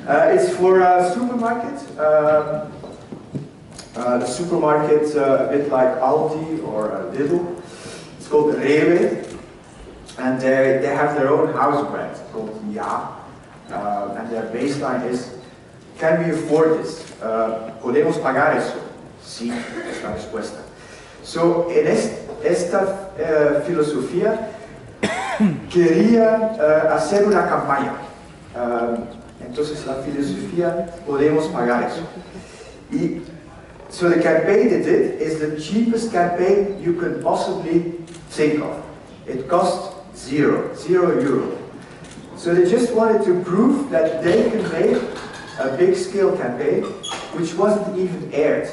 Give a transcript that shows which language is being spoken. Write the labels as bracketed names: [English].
[English] It's for a supermarket, the supermarket a bit like Aldi or Lidl. It's called Rewe, and they have their own house brand called Ja, and their baseline is, can we afford this? [Spanish] ¿Podemos pagar eso? Sí, es la respuesta. So, en esta filosofía quería hacer una campaña. Entonces la filosofía, podemos pagar eso. [English] Y, so the campaign they did is the cheapest campaign you can possibly think of. It cost zero euro. So they just wanted to prove that they can make a big scale campaign, which wasn't even aired.